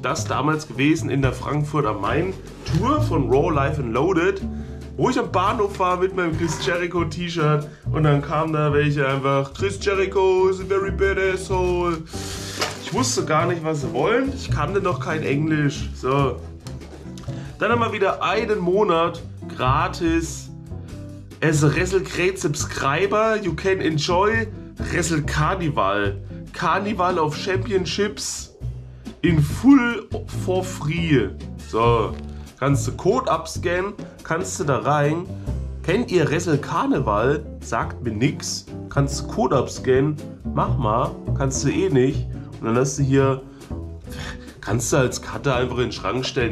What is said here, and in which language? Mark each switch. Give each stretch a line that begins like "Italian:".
German: Das damals gewesen in der Frankfurt am Main Tour von Raw Life and Loaded, wo ich am Bahnhof war mit meinem
English: Chris Jericho T-Shirt und dann kam da welche einfach, Chris Jericho is a very bad asshole.
German: Ich wusste gar nicht, was sie wollen. Ich kannte noch kein Englisch. So, dann haben wir wieder einen Monat gratis
English: as a WrestleCrate Subscriber. You can enjoy Wrestle Carnival. Carnival of Championships in full for free.
German: So, kannst du Code abscannen, kannst du da rein. Kennt ihr Wrestle Carnival? Sagt mir nix. Kannst du Code abscannen? Mach mal, kannst du eh nicht. Und dann hast du hier, kannst du als Cutter einfach in den Schrank stellen.